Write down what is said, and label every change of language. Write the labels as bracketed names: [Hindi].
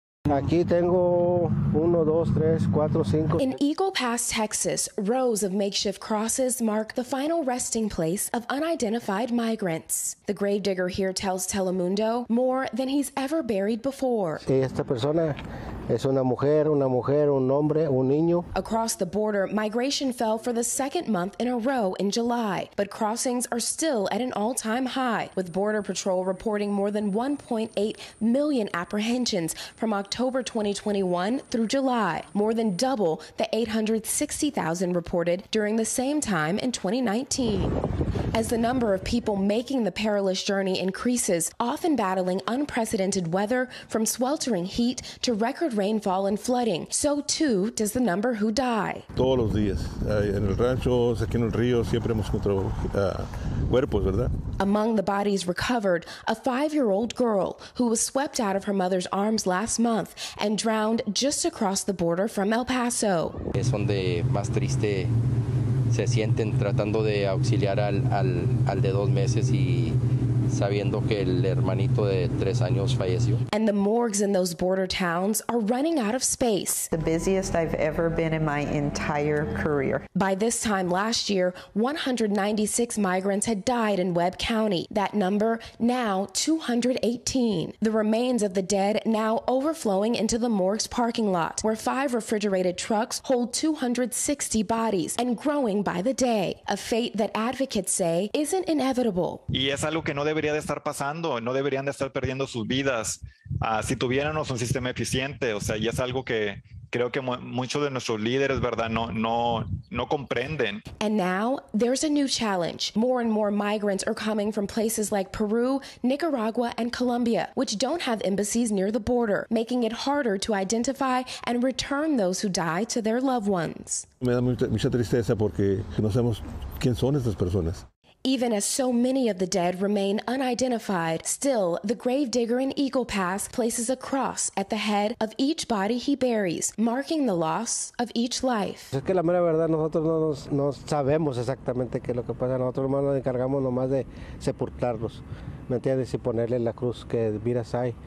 [English] In Eagle Pass, Texas, rows of makeshift crosses mark the final resting place of unidentified migrants. The gravedigger here tells Telemundo more than he's ever buried before. [Spanish] Esta persona es una mujer, un hombre, un niño. [English] Across the border, migration fell for the second month in a row in July, but crossings are still at an all-time high, with Border Patrol reporting more than 1.8 million apprehensions from October 2021 through July, more than double the 860,000 reported during the same time in 2019. As the number of people making the perilous journey increases, often battling unprecedented weather from sweltering heat to record rainfall and flooding, so too does the number who die. [Spanish] Todos los días, en el rancho, aquí en el río, siempre hemos encontrado cuerpos, ¿verdad? [English] Among the bodies recovered, a five-year-old girl who was swept out of her mother's arms last month and drowned just across the border from El Paso. [Spanish] Es donde más triste se sienten tratando de auxiliar al de dos meses y sabiendo que el hermanito de tres años falleció. [English] And the morgues in those border towns are running out of space. The busiest I've ever been in my entire career. By this time last year, 196 migrants had died in Webb County. That number now 218. The remains of the dead now overflowing into the morgue's parking lot, where five refrigerated trucks hold 260 bodies and growing by the day. A fate that advocates say isn't inevitable. [Spanish] Y es algo que no debería de estar pasando, no deberían de estar perdiendo sus vidas si tuviéramos un sistema eficiente, o sea, y es algo que creo que muchos de nuestros líderes, ¿verdad?, no comprenden. [English] And now there's a new challenge. More and more migrants are coming from places like Peru, Nicaragua, and Colombia, which don't have embassies near the border, making it harder to identify and return those who die to their loved ones. [Spanish] Me da mucha tristeza porque no sabemos quién son estas personas. [English] Even as so many of the dead remain unidentified, still, the gravedigger in Eagle Pass places a cross at the head of each body he buries, marking the loss of each life. [Spanish] Es que la mera verdad, nosotros no sabemos exactamente qué es lo que pasa. Nosotros nomás nos encargamos nomás de sepultarlos, ¿me entiendes? Y ponerle la cruz que miras ahí.